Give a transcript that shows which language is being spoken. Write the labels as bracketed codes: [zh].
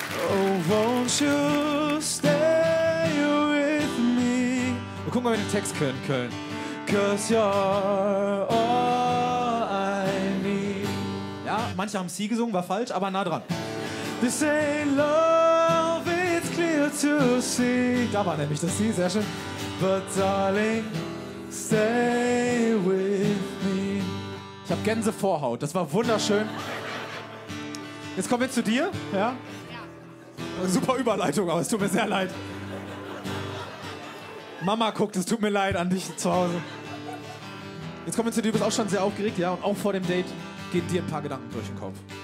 [en] Oh, won't you stay with me? [de] Wir gucken mal, wie wir den Text können. Köln. [en] Cause you're all I need. [de] Ja, manche haben sie gesungen, war falsch, aber nah dran. [en] This ain't love, it's clear to see. [de] Da war nämlich das sie, sehr schön. [en] But darling, stay with me. [de] Ich hab Gänsevorhaut, das war wunderschön. Jetzt kommen wir zu dir, ja? Ja. Super Überleitung, aber es tut mir sehr leid. Mama guckt, es tut mir leid an dich zu Hause. Jetzt kommen wir zu dir, du bist auch schon sehr aufgeregt, ja? Und auch vor dem Date gehen dir ein paar Gedanken durch den Kopf.